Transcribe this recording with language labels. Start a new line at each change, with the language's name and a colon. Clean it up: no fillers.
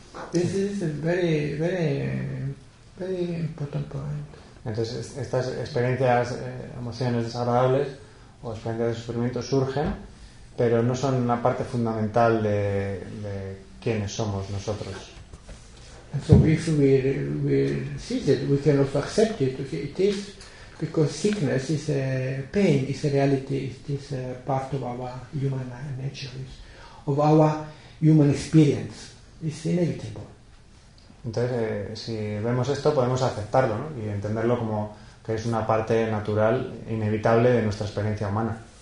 English: This is a very, very, very important point.
Spanish: Entonces, estas experiencias, emociones desagradables o experiencias de sufrimiento surgen, pero no son una parte fundamental de quiénes somos nosotros.
English: And so if we see that, we can also accept it. It is because sickness is a pain, is a reality, it is a part of our human nature, of our human experience. It's inevitable.
Spanish: Entonces, si vemos esto, podemos aceptarlo, ¿no? Y entenderlo como que es una parte natural, inevitable de nuestra experiencia humana.